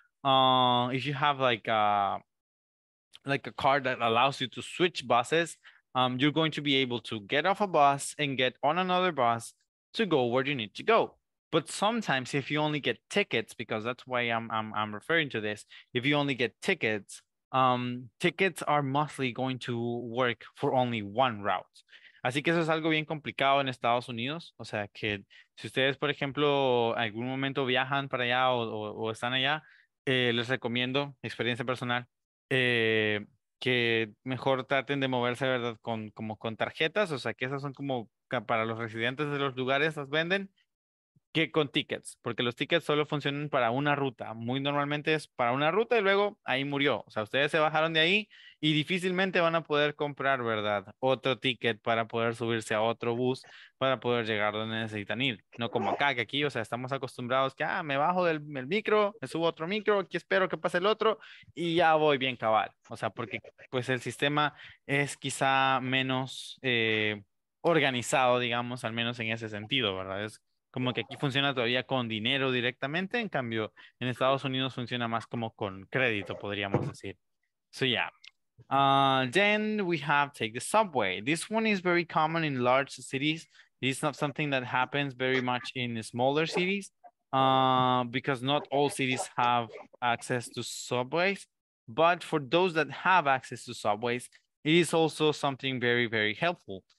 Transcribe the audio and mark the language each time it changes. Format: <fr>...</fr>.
<en>If you have like a card that allows you to switch buses, you're going to be able to get off a bus and get on another bus to go where you need to go. But sometimes if you only get tickets, because that's why I'm referring to this, if you only get tickets, tickets are mostly going to work for only one route.</en> <es>Así que eso es algo bien complicado en Estados Unidos. O sea, que si ustedes, por ejemplo, algún momento viajan para allá o están allá, les recomiendo, experiencia personal, que mejor traten de moverse, ¿verdad?, con tarjetas. O sea, que esas son como para los residentes de los lugares, las venden, que con tickets, porque los tickets solo funcionan para una ruta. Muy normalmente es para una ruta y luego ahí murió. O sea, ustedes se bajaron de ahí y difícilmente van a poder comprar, ¿verdad?, otro ticket para poder subirse a otro bus para poder llegar donde necesitan ir. No como acá, que aquí, o sea, estamos acostumbrados que, me bajo del micro, me subo a otro micro, aquí espero que pase el otro y ya voy bien cabal. O sea, porque pues el sistema es quizá menos organizado, digamos, al menos en ese sentido, ¿verdad? Es como que aquí funciona todavía con dinero directamente, en cambio en Estados Unidos funciona más como con crédito, podríamos decir.</es> <en>So yeah. Then we have take the subway. This one is very common in large cities. It's not something that happens very much in smaller cities, because not all cities have access to subways. But for those that have access to subways, it is also something very, very helpful.</en>